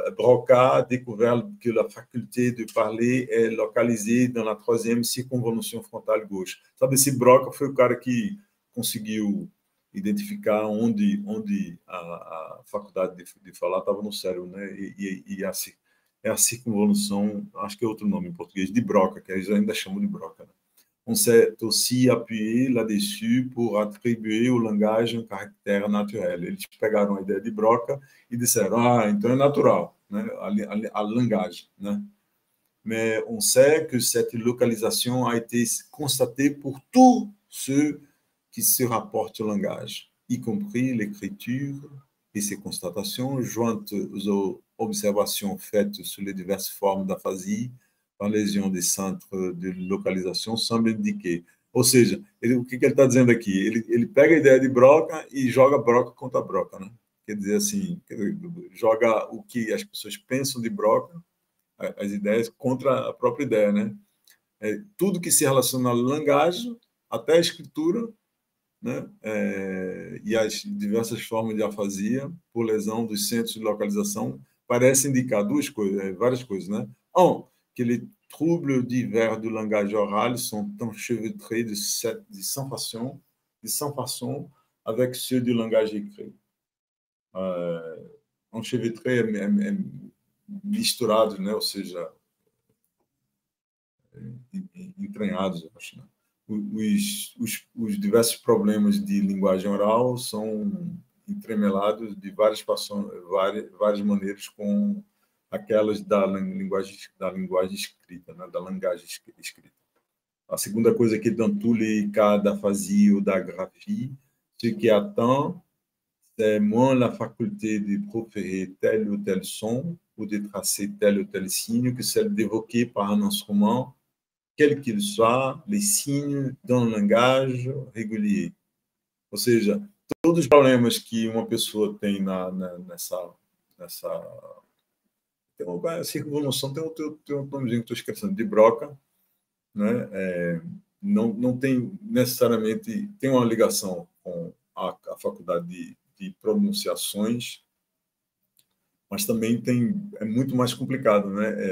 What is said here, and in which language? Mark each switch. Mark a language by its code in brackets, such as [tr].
[fr] Brocard découvert que la faculté de parler est localisée dans la troisième circonvolution frontale gauche. [pt] Sabe, esse Broca foi o cara que conseguiu identificar onde a faculdade de falar estava no cérebro, né? E a circunvolução, acho que é outro nome em português, de Broca, que eles ainda chamam de Broca, né? [fr] On s'est aussi appuyé là-dessus pour attribuer au langage un caractère naturel. [pt] Eles pegaram a ideia de Broca e disseram, ah, então é natural, né? A linguagem, né? [fr] Mais on sait que cette localisation a été constatée pour tout ce qui se rapporte au langage, y compris l'écriture et ses constatations, jointes aux observations faites sur les diverses formes d'aphasie, [pt] a lesão de centro de localização, sempre indiquei. Ou seja, o que ele está dizendo aqui? Ele pega a ideia de Broca e joga Broca contra Broca, né? Quer dizer assim, joga o que as pessoas pensam de Broca, as ideias, contra a própria ideia, né? É, tudo que se relaciona à linguagem, até a escritura, né? E as diversas formas de afasia, por lesão dos centros de localização, parece indicar duas coisas, várias coisas, né? Um, [fr] que les troubles divers du langage oral sont enchevêtrés de cent façon avec ceux du langage écrit. [pt] Enchevêtrés é misturados, né? Ou seja, entranhados, eu acho. Né? Os diversos problemas de linguagem oral são entremelados de várias maneiras com aquelas da linguagem escrita, né? Da linguagem escrita. A segunda coisa é que [fr] dans tous les cas d'aphasie ou d'agraphie, ce qui attend, c'est moins la faculté de proférer tel ou tel son ou de tracer tel ou tel signe que celle d'évoquer par un instrument, quel qu'il soit, les signes d'un langage régulier. [pt] Ou seja, todos os problemas que uma pessoa tem nessa circunvolução tem outro nomezinho que estou esquecendo, de Broca, né? Não tem necessariamente, tem uma ligação com a faculdade de pronunciações, mas também tem, é muito mais complicado, né?